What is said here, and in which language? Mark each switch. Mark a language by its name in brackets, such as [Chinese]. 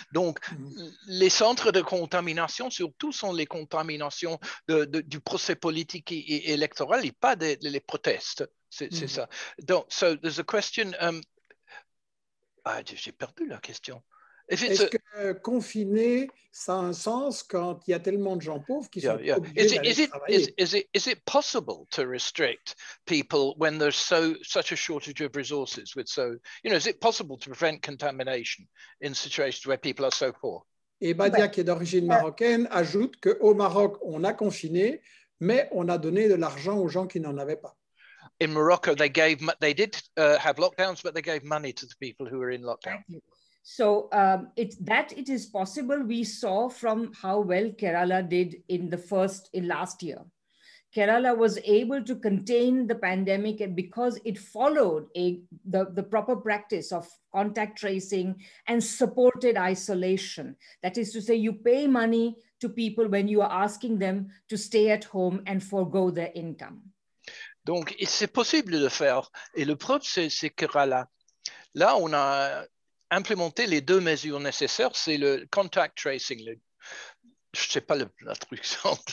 [French] Donc, les centres de contamination, surtout, sont les contaminations du procès politique et électoral et pas les protestes. C'est ça. Donc, [English] so there's a question. [French] J'ai perdu la question. Est-ce que confiner, ça a un sens quand il y a tellement de gens pauvres qui sont obligés d'aller travailler? [English] Is it possible to restrict people when there's such a shortage of resources? Is it possible to prevent contamination in situations where people are so poor? [French] Et Badia, qui est d'origine marocaine, ajoute qu'au Maroc, on a confiné, mais on a donné de l'argent aux gens qui n'en avaient pas. [English] In Morocco, they did have lockdowns, but they gave money to the people who were in lockdown. So it is possible. We saw from how well Kerala did last year. Kerala was able to contain the pandemic because it followed the proper practice of contact tracing and supported isolation. That is to say, you pay money to people when you are asking them to stay at home and forego their income. [French] Donc, c'est possible de faire. Et le problème, c'est Kerala. Là, on a implémenter les deux mesures nécessaires, c'est le contact tracing, je ne sais pas la traduction